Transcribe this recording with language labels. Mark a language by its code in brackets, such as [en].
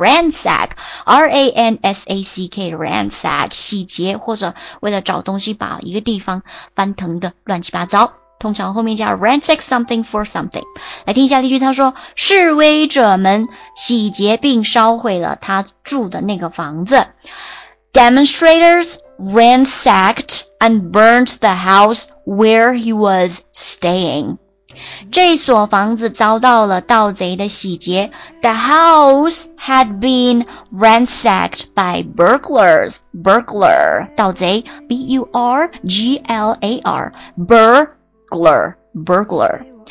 [zh] ransack R-A-N-S-A-C-K ransack 洗劫或者为了找东西把一个地方翻腾得乱七八糟，通常后面叫 [en] ransack something for something。 [zh] 来听一下例句，他说示威者们洗劫并烧毁了他住的那个房子。 [en] Demonstrators ransacked and burnt the house where he was staying. [zh] 这所房子遭到了盗贼的洗劫。 [en] The house had been ransacked by burglars. Burglar, 盗贼 B-U-R-G-L-A-R, burglar, burglar.